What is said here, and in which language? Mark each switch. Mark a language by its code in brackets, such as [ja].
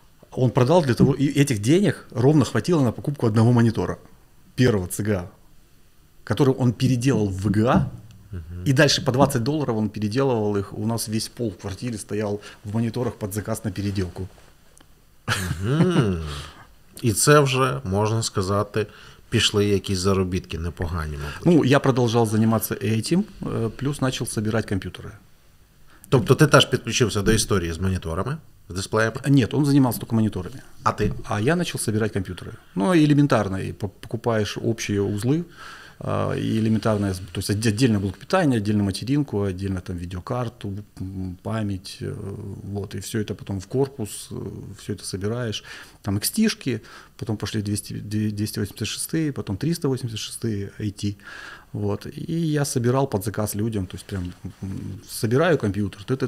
[ru] Он продал для того, и этих денег ровно хватило на покупку одного монитора, первого ЦГА, который он переделал в ВГА. И дальше по $20 он переделывал их. У нас весь пол в квартире стоял в мониторах под заказ на переделку. [uk] И це вже, можна сказати, пішли якісь заробітки непогані, мабуть. Ну, я продовжував займатися цим, плюс почав збирати комп'ютери. Тобто ти теж підключився до історії з моніторами, з дисплеями? Ні, він займався тільки моніторами. А ти? А я почав збирати комп'ютери. Ну, елементарно, і покупаєш общі узли. [ru] И элементарное, то есть отдельно блок питания, отдельно материнку, отдельно там видеокарту, память, вот, и все это потом в корпус, все это собираешь, там XT-шки, потом пошли 286, потом 386 IT, вот, и я собирал под заказ людям, то есть прям собираю компьютер,